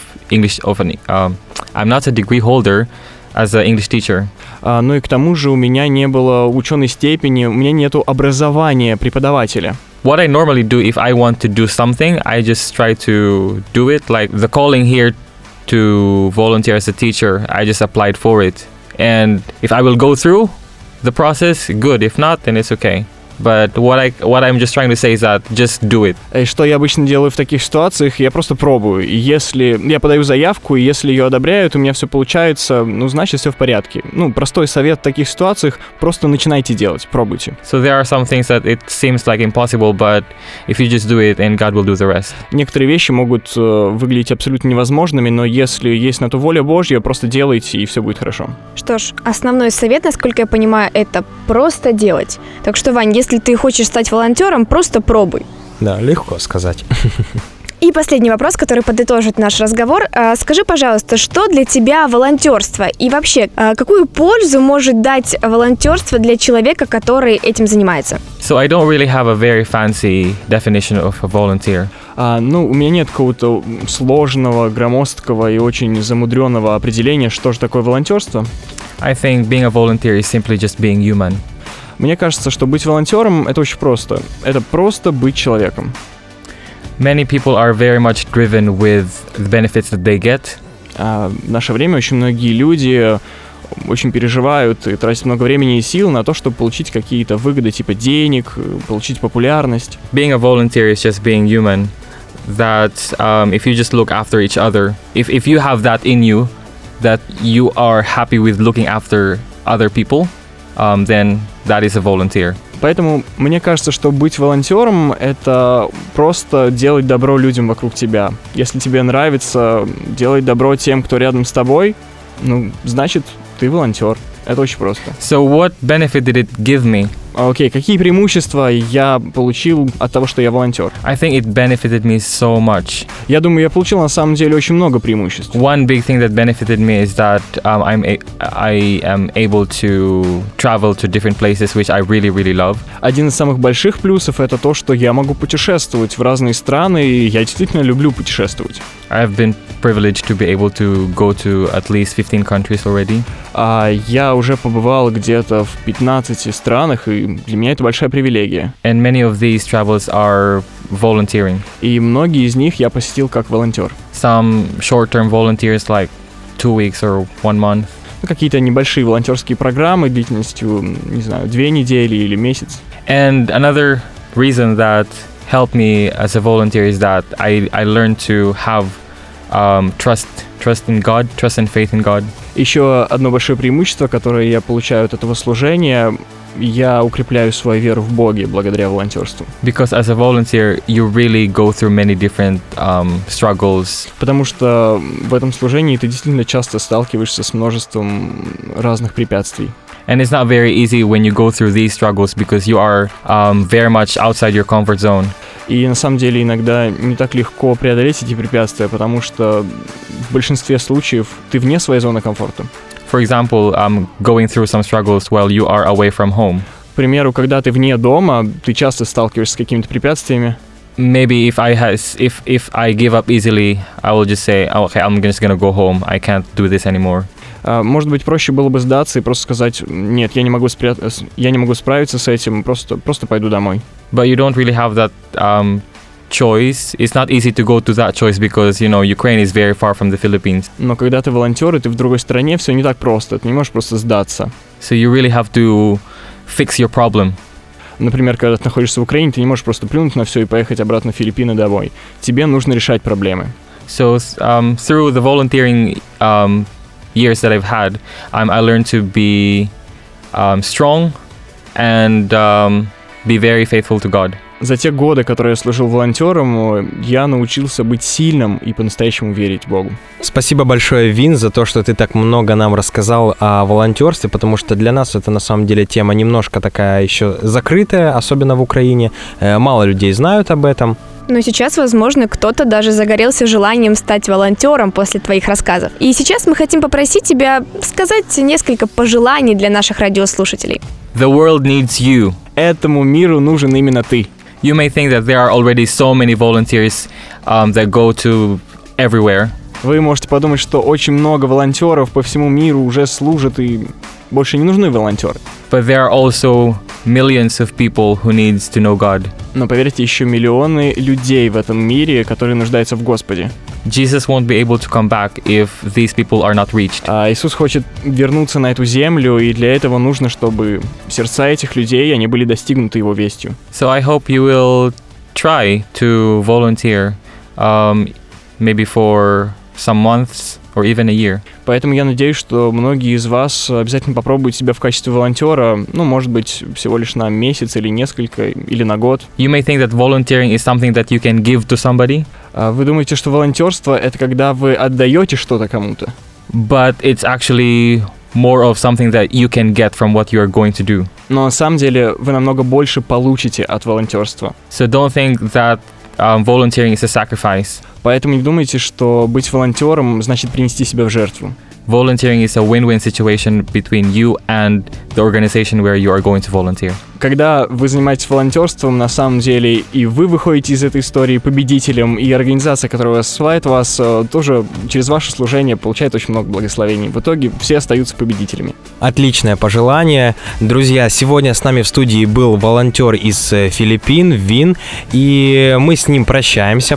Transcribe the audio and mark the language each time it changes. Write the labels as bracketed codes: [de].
[en] I'm not a degree holder as an English teacher. [ru] Ну и к тому же у меня не было ученой степени, у меня нету образования преподавателя. [en] What I normally do if I want to do something, I just try to do it. Like the calling here to volunteer as a teacher, I just applied for it. And if I will go through the process, good. If not, then it's okay. But what I'm just trying to say is that just do it. [ru] Что я обычно делаю в таких ситуациях? Я просто пробую. Если я подаю заявку, и если ее одобряют, у меня все получается, ну, значит, все в порядке. Ну, простой совет в таких ситуациях – просто начинайте делать, пробуйте. [en] So there are some things that it seems like impossible, but if you just do it, and God will do the rest. [ru] Некоторые вещи могут выглядеть абсолютно невозможными, но если есть на то воля Божья, просто делайте, и все будет хорошо. Что ж, основной совет, насколько я понимаю, это просто делать. Так что, Вань, если ты хочешь стать волонтером, просто пробуй. Да, легко сказать. И последний вопрос, который подытожит наш разговор. Скажи, пожалуйста, что для тебя волонтерство? И вообще, какую пользу может дать волонтерство для человека, который этим занимается? [en] So I don't really have a very fancy definition of a volunteer. [ru] Ну, у меня нет какого-то сложного, громоздкого и очень замудренного определения, что же такое волонтерство. [en] I think being a volunteer is simply just being human. [ru] Мне кажется, что быть волонтером — это очень просто. Это просто быть человеком. [en] Many people are very much driven with the benefits that they get. [ru] В наше время очень многие люди очень переживают и тратят много времени и сил на то, чтобы получить какие-то выгоды, типа денег, получить популярность. [en] Being a volunteer is just being human. That if you just look after each other, if you have that in you, that you are happy with looking after other people, then that is a volunteer. [ru] Поэтому мне кажется, что быть волонтером — это просто делать добро людям вокруг тебя. Если тебе нравится делать добро тем, кто рядом с тобой, ну, значит, ты волонтер. Это очень просто. [en] So what benefit did it give me? [ru] Окей, какие преимущества я получил от того, что я волонтер? [en] I think it benefited me so much. [ru] Я думаю, я получил на самом деле очень много преимуществ. [en] One big thing that benefited me is that I am able to travel to different places, which I really, really love. [ru] Один из самых больших плюсов — это то, что я могу путешествовать в разные страны, и я действительно люблю путешествовать. [en] I have been privileged to be able to go to at least 15 countries already. [ru] Я уже побывал где-то в 15 странах, и для меня это большая привилегия. [en] And many of these travels are volunteering. [ru] И многие из них я посетил как волонтер. [en] Some short-term volunteers, like 2 weeks or 1 month. [ru] Ну, какие-то небольшие волонтерские программы длительностью, не знаю, 2 недели или месяц. [en] And another reason that helped me as a volunteer is that I learned to have trust in God, trust and faith in God. [ru] Еще одно большое преимущество, которое я получаю от этого служения, я укрепляю свою веру в Боге благодаря волонтерству. [en] Because as a volunteer, you really go through many different struggles. [ru] Потому что в этом служении ты действительно часто сталкиваешься с множеством разных препятствий. [en] And it's not very easy when you go through these struggles because you are very much outside your comfort zone. [ru] И на самом деле иногда не так легко преодолеть эти препятствия, потому что в большинстве случаев ты вне своей зоны комфорта. [en] For example, going through some struggles while you are away from home. [ru] К примеру, когда ты вне дома, ты часто сталкиваешься с какими-то препятствиями. [en] Maybe if I give up easily, I will just say, okay, I'm just gonna go home. I can't do this anymore. [ru] Может быть, проще было бы сдаться и просто сказать: нет, я не могу справиться с этим, просто пойду домой. [en] But you don't really have that choice. It's not easy to go to that choice because, you know, Ukraine is very far from the Philippines. [ru] Но когда ты волонтер и ты в другой стране, все не так просто. Ты не можешь просто сдаться. [en] So you really have to fix your problem. [ru] Например, когда ты находишься в Украине, ты не можешь просто плюнуть на все и поехать обратно в Филиппины домой. Тебе нужно решать проблемы. [en] So through the volunteering years that I've had, I learned to be strong and be very faithful to God. [ru] За те годы, которые я служил волонтером, я научился быть сильным и по-настоящему верить Богу. Спасибо большое, Вин, за то, что ты так много нам рассказал о волонтерстве, потому что для нас это на самом деле тема немножко такая еще закрытая, особенно в Украине. Мало людей знают об этом. Но сейчас, возможно, кто-то даже загорелся желанием стать волонтером после твоих рассказов. И сейчас мы хотим попросить тебя сказать несколько пожеланий для наших радиослушателей. [en] The world needs you. [ru] Этому миру нужен именно ты. [en] You may think that there are already so many volunteers that go to everywhere. [ru] Вы можете подумать, что очень много волонтеров по всему миру уже служат и больше не нужны волонтеры. [en] But there are also millions of people who need to know God. [ru] Но поверьте, еще миллионы людей в этом мире, которые нуждаются в Господе. [en] Jesus won't be able to come back if these people are not reached. [ru] А Иисус хочет вернуться на эту землю, и для этого нужно, чтобы сердца этих людей, они были достигнуты его вестью. [en] So I hope you will try to volunteer, maybe for some months or even a year. [ru] Поэтому я надеюсь, что многие из вас обязательно попробуют себя в качестве волонтера, ну, может быть, всего лишь на месяц или несколько, или на год. [en] You may think that volunteering is something that you can give to somebody. [ru] Вы думаете, что волонтерство — это когда вы отдаете что-то кому-то? [en] But it's actually more of something that you can get from what you are going to do. [ru] Но на самом деле вы намного больше получите от волонтерства. [en] So don't think that volunteering is a sacrifice. [ru] Поэтому не думайте, что быть волонтером значит принести себя в жертву. [en] Volunteering is a win-win situation between you and the organization where you are going to volunteer. [ru] Когда вы занимаетесь волонтерством, на самом деле и вы выходите из этой истории победителем, и организация, которая посылает вас, тоже через ваше служение получает очень много благословений. В итоге все остаются победителями. Отличное пожелание. Друзья, сегодня с нами в студии был волонтер из Филиппин, Вин, и мы с ним прощаемся.